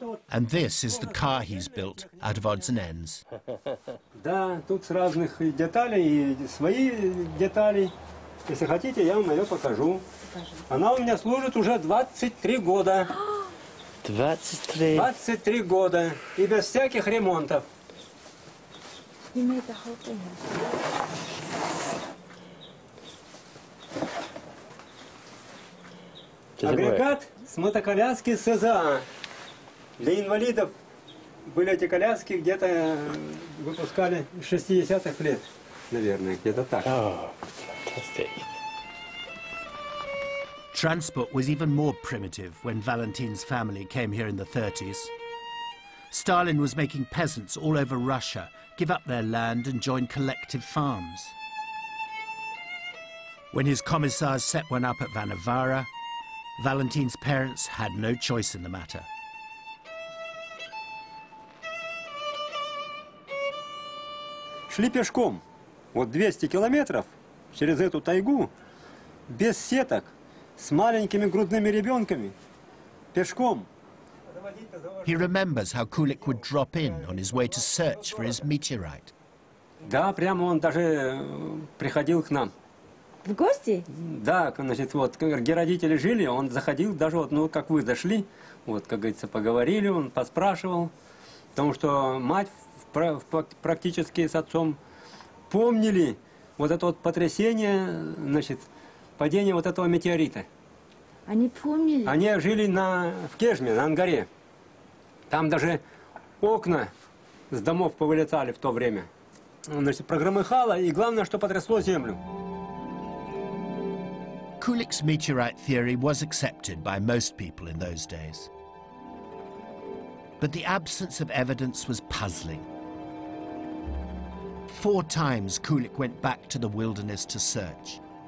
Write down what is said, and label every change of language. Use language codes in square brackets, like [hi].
[en] And this is the car he's built out of odds and ends. [ru] Да, тут с разных деталей и свои детали. Если хотите, я вам ее покажу. Она у меня служит уже 23 года. 23? 23 года. И без всяких ремонтов. Агрегат с мотоколяски СЗА. Для инвалидов были эти коляски где-то выпускали с 60-х лет, наверное, где-то так. [en] Transport was even more primitive when Valentin's family came here in the 30s. Stalin was making peasants all over Russia give up their land and join collective farms. When his commissars set one up at Vanovara, Valentin's parents had no choice in the matter. [ru] Шли пешком, вот 200 километров через эту тайгу, без сеток, с маленькими грудными ребенками, пешком. [en] He remembers how Kulik would drop in on his way to search for his meteorite. [ru] Да, прямо он даже приходил к нам. В гости? Да, значит, вот, где родители жили, он заходил даже, вот, ну, как вы зашли, вот, как говорится, поговорили, он поспрашивал, потому что мать практически с отцом помнили вот это вот потрясение, значит, падение вот этого метеорита. Они помнили? Они жили в Кежме, на Ангаре. Там даже окна с домов повылетали в то время. Значит, прогромыхало, и главное, что потрясло землю. [en] Kulik's meteorite theory was accepted by most people in those days. But the absence of evidence was puzzling. Four times Kulik went back to the wilderness to search.